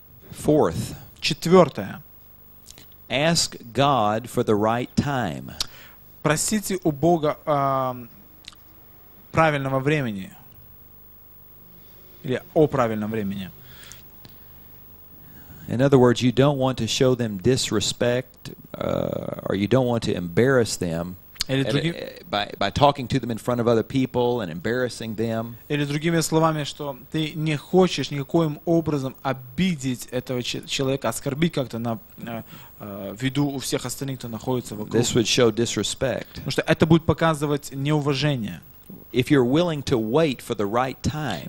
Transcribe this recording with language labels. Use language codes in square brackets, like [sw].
[en] Fourth. [ru] Четвертое. [en] Ask God for the right time. [ru] Просите у Бога правильного времени. Или о правильном времени. [en] In other words, you don't want to show them disrespect, or you don't want to embarrass them by talking to them in front of other people and embarrassing them. [ru] Или другими словами, что ты не хочешь никаким образом обидеть этого человека, оскорбить как-то на виду у всех остальных, кто находится вокруг. [en] This would show disrespect. [ru] Потому что это будет показывать неуважение. [en] If you're willing to wait for the right time.